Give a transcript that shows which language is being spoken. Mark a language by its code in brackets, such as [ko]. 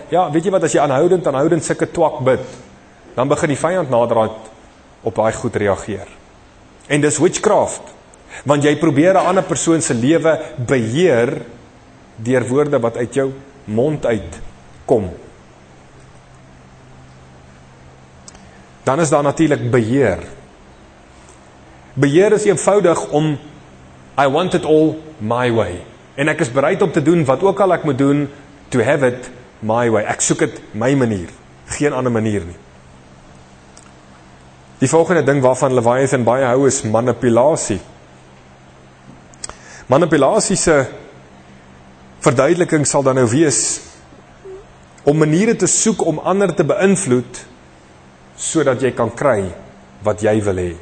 [af] Ja, weet jy wat, as jy aanhoudend sulke twak bid, dan begin die vyand naderhand op daai goed reageer. En dis witchcraft. Want jy probeer 'n ander persoon se lewe beheer deur woorde wat uit jou mond uit kom. Dan is daar natuurlik beheer. Beheer is eenvoudig om [en] I want it all my way. [af] En ek is bereid om te doen wat ook al ek moet doen [en] to have it my way. [af] Ek soek dit my manier, geen ander manier nie. Die volgende ding waarvan Leviathan baie hou is manipulasie. Manipulasie se verduideliking sal dan nou wees om maniere te soek om ander te beïnvloed sodat jy kan kry wat jy wil hê.